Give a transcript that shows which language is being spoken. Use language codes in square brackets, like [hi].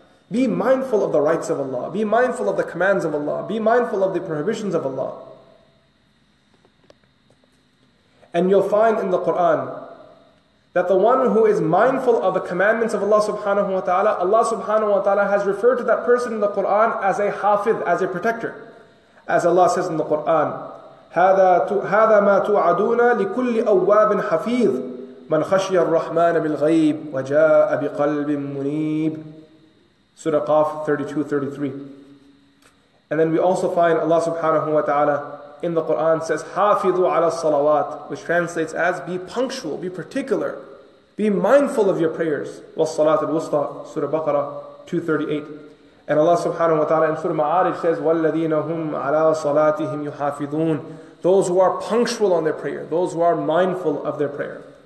[en] Be mindful of the rights of Allah, be mindful of the commands of Allah, be mindful of the prohibitions of Allah. And you'll find in the Qur'an that the one who is mindful of the commandments of Allah subhanahu wa ta'ala, Allah subhanahu wa ta'ala has referred to that person in the Qur'an as a hafidh, as a protector. [ar] As Allah says in the Qur'an, هَذَا مَا تُعَدُونَ لِكُلِّ أَوَّابٍ حَفِيظٍ مَنْ خَشْيَ الرَّحْمَنَ بِالْغَيْبِ وَجَاءَ بِقَلْبٍ مُنِيبٍ. [en] Surah Qaf 32:33. And then we also find Allah subhanahu wa ta'ala in the Quran says, [ar] "Hafidhu ala salawat," [en] which translates as "be punctual, be particular, be mindful of your prayers." [ar] Was salat al wusta, [en] Surah Baqarah 2:38, and Allah Subhanahu wa Taala in Surah Ma'arij says, [ar] "Walladina hum ala salatihim yuhafidun," [en] those who are punctual on their prayer, those who are mindful of their prayer.